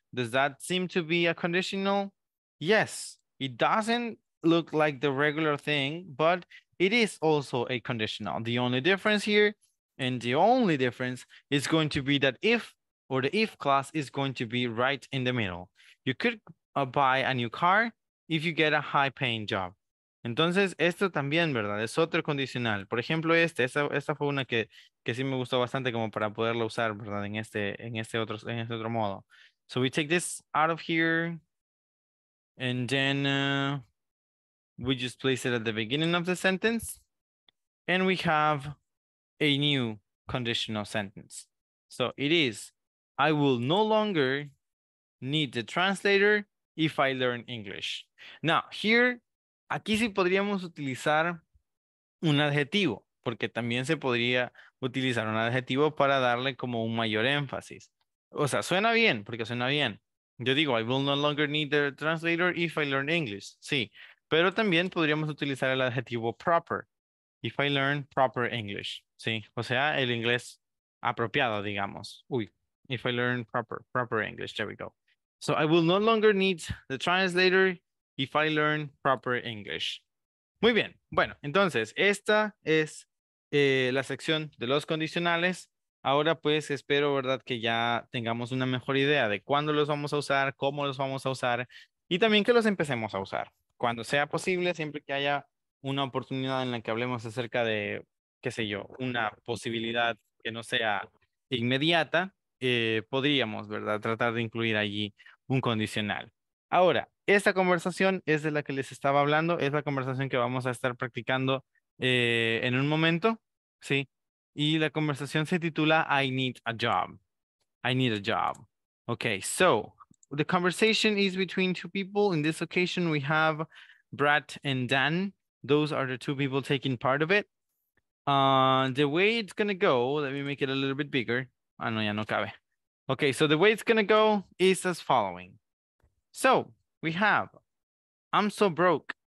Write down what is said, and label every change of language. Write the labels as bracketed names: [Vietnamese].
[English] Does that seem to be a conditional? Yes, it doesn't look like the regular thing, but it is also a conditional. The only difference here, and the only difference is going to be that if, or the if class is going to be right in the middle. You could buy a new car if you get a high paying job. [Spanish] Entonces, esto también, ¿verdad? Es otro condicional. Por ejemplo, esta fue una que sí me gustó bastante como para poderlo usar, ¿verdad? En este otro modo. [English] So we take this out of here. And then we just place it at the beginning of the sentence. And we have a new conditional sentence. So it is, I will no longer need the translator if I learn English. Now, here, [Spanish] aquí sí podríamos utilizar un adjetivo, porque también se podría utilizar un adjetivo para darle como un mayor énfasis. O sea, suena bien, porque suena bien. Yo digo, [English] I will no longer need the translator if I learn English. [Spanish] Sí, pero también podríamos utilizar el adjetivo proper, [English] if I learn proper English. [Spanish] Sí, o sea, el inglés apropiado, digamos. [English] Uy, if I learn proper English, there we go. So I will no longer need the translator if I learn proper English. [Spanish] Muy bien. Bueno, entonces, esta es la sección de los condicionales. Ahora, pues, espero, ¿verdad?, que ya tengamos una mejor idea de cuándo los vamos a usar, cómo los vamos a usar, y también que los empecemos a usar. Cuando sea posible, siempre que haya una oportunidad en la que hablemos acerca de, qué sé yo, una posibilidad que no sea inmediata, podríamos, ¿verdad?, tratar de incluir allí un condicional. Ahora, esta conversación es de la que les estaba hablando, es la conversación que vamos a estar practicando en un momento, ¿sí?, y la conversación se titula [English] I need a job. I need a job. Okay, so the conversation is between two people. In this occasion, we have Brad and Dan. Those are the two people taking part of it. The way it's going to go, let me make it a little bit bigger. [Spanish] Ah, no, ya no cabe. [English] Okay, so the way it's going to go is as following. So we have, I'm so broke.